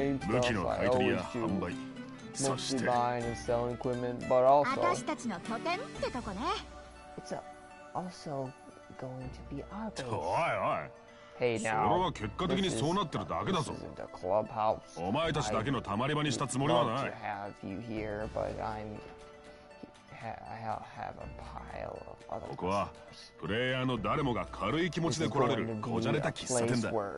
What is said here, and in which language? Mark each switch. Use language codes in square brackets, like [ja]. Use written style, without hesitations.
[ja] 武器の買い取りや販売、そして私たちの拠点ってとこね。 [en] It's also going to be our base. [ja] おいおい、 [en] hey、now, [ja] それは結果的にそうなってるだけだぞ。お前たちだけのたまり場にしたつもりはない。 [en] I'd love to have you here, but I'mI have a pile of other [ja] ここはプレイヤーの誰もが軽い気持ちで来られるこじゃれた喫茶店だ。